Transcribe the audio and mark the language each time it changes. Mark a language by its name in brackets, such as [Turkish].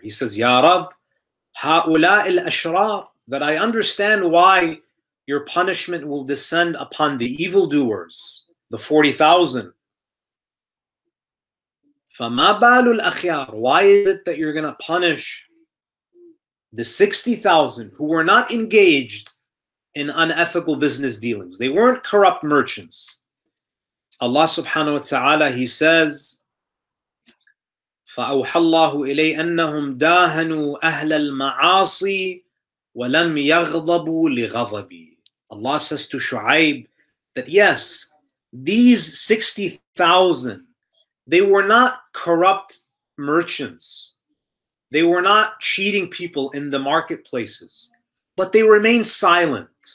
[English] He says, [Arabic] Ya Rab, ha'ula al-ashrar, [English] that I understand why your punishment will descend upon the evildoers, the 40,000. [Arabic] فَمَا بَالُ الْأَخْيَارِ, [English] why is it that you're going to punish the 60,000 who were not engaged in unethical business dealings? They weren't corrupt merchants. [Arabic] Allah subhanahu wa ta'ala, [English] He says, [Arabic] فَأَوْحَى اللَّهُ إِلَيْهِ أَنَّهُمْ دَاهَنُوا أَهْلَ الْمَعَاصِي وَلَمْ يَغْضَبُوا لِغَضَبِي. [English] Allah says to Shu'aib that yes, these 60,000, they were not corrupt merchants, they were not cheating people in the marketplaces, but they remained silent.